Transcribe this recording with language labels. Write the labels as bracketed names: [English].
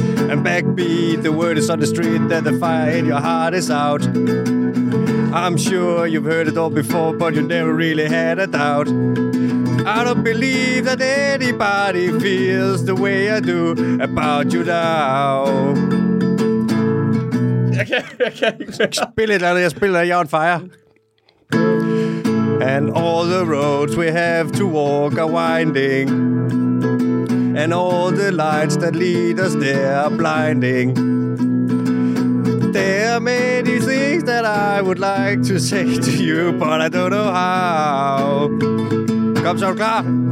[English] And backbeat, the word is on the street that the fire in your heart is out. I'm sure you've heard it all before, but you never really had a doubt. I don't believe that anybody feels the way I do about you now. [Danish] Jeg kan. Spil et eller andet, jeg spiller det, jeg er [English] on fire. And all the roads we have to walk are winding. And all the lights that lead us there are blinding. There are many things that I would like to say to you, but I don't know how. [Danish] Kom så, er du klar?